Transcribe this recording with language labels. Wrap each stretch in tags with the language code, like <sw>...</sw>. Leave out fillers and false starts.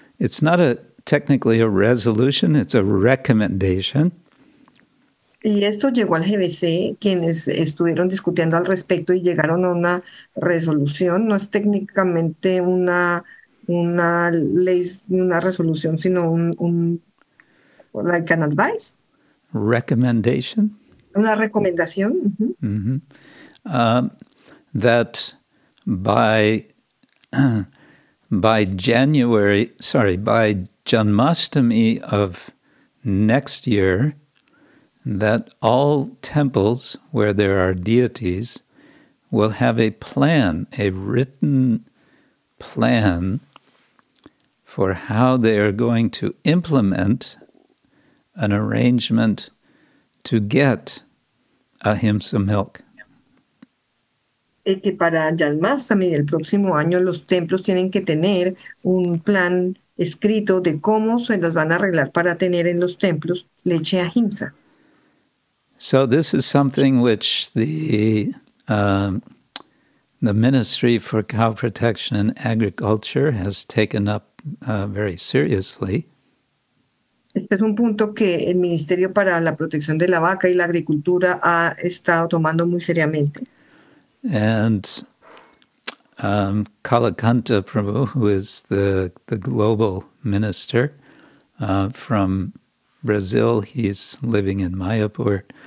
<en>It's not a technically a resolution, it's a recommendation.</en> <es>Y esto llegó al GBC, quienes estuvieron discutiendo al respecto y llegaron a una resolución. No es técnicamente una ley, una resolución, sino un</es> <en>like an advice, Recommendation.</en> <es>una recomendación.</es> <en>That by January, sorry, by Janmashtami of next year, that all temples where there are deities will have a plan, a written plan for how they are going to implement an arrangement to get ahimsa milk.</en> <es>Y que para Janmashtami del próximo año los templos tienen que tener un plan escrito de cómo se las van a arreglar para tener en los templos leche ahimsa.</es> <en>So this is something which the Ministry for Cow Protection and Agriculture has taken up very seriously.</en> <es>Este es un punto que el Ministerio para la Protección de la Vaca y la Agricultura ha estado tomando muy seriamente.</es> <en>And Kalakanta Prabhu, who is the global minister from Brazil, he's living in Mayapur.</en>